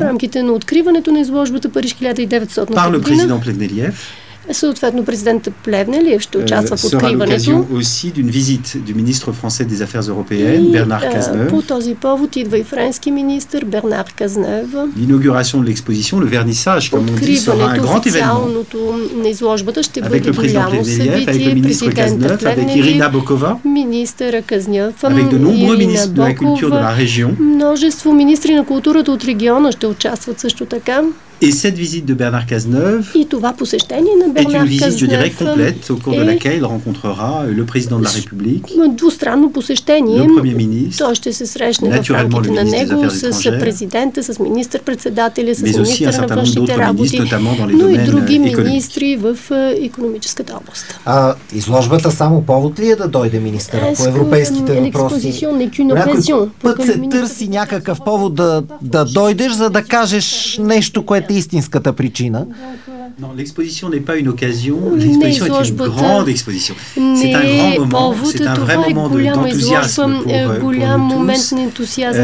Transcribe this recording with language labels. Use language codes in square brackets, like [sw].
[bg] рамките на откриването на изложбата Париж 1900-та година. Съответно, президентът Плевнелиев ще участва в откриването. [fr] Aussi d'une visite du ministre français des affaires européennes, Bernard Cazeneuve. [bg] По този повод идва и френски министър Бернар Казнев. [fr] L'inauguration de l'exposition, le vernissage, comme on dit, sera un grand événement. [bg] На изложбата ще [fr] avec [bg] бъде голямо събитие. [fr] Avec le président Plevnelief, avec le ministre Cazeneuve, avec Ирина Бокова. [bg] Министъра Казнев. [fr] Avec de nombreux ministres de la culture de la région. [bg] Множество министри на културата от региона ще участват също така. [fr] Et cette visite de Bernard Cazeneuve est une visite, je dirais, complète au cours de laquelle il rencontrera le président de la République, [bg] двустранно посещение, [fr] le Premier ministre, [bg] той ще се срещне [fr] naturellement [bg] в рамките на него, [fr] des affaires étrangères, [bg] с президента, с министър-председателя, с министъра на външните работи, [fr] notamment dans les [bg] но и други министри в икономическата област. А изложбата само повод ли е да дойде министъра по европейските въпроси? Някой път се търси някакъв повод да дойдеш, за да кажеш нещо, което е истинската причина. [fr] Non, l'exposition n'est pas une occasion, l'exposition est une grande exposition. C'est un grand moment, c'est un vrai moment d'enthousiasme pour nous tous.